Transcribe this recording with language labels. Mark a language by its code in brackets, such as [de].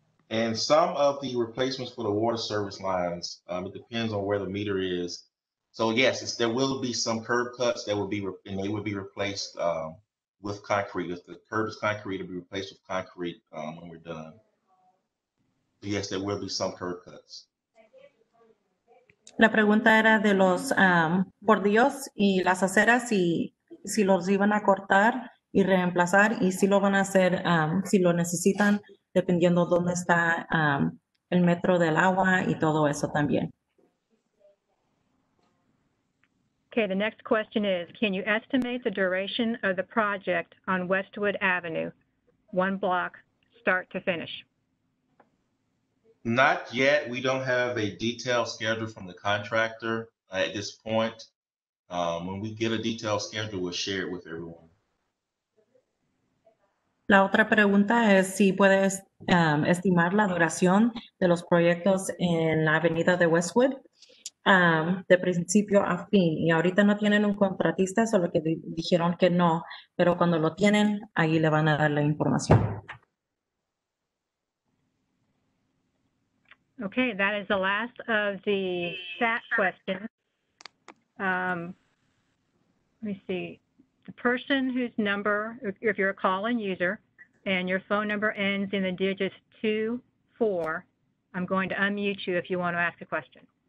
[en] And some of the replacements for the water service lines, it depends on where the meter is. So yes, there will be some curb cuts that will be, and they will be replaced with concrete. If the curb is concrete, it'll be replaced with concrete when we're done. But yes, there will be some curb cuts. [es] La pregunta era de los bordillos y las aceras y si los iban a cortar y reemplazar y si lo van a hacer, si lo necesitan, dependiendo dónde está el metro del agua y todo eso también. [en] Okay, the next question is, can you estimate the duration of the project on Westwood Avenue, one block, start to finish? Not yet. We don't have a detailed schedule from the contractor at this point. When we get a detailed schedule, we'll share it with everyone. [es] La otra pregunta es si puedes estimar la duración de los proyectos en la avenida de Westwood de principio a fin. Y ahorita no tienen un contratista, solo que dijeron que no. Pero cuando lo tienen, ahí le van a dar la información. [en] Okay, that is the last of the chat questions. Let me see, the person whose number, if you're a call-in user and your phone number ends in the digits 24, I'm going to unmute you if you want to ask a question.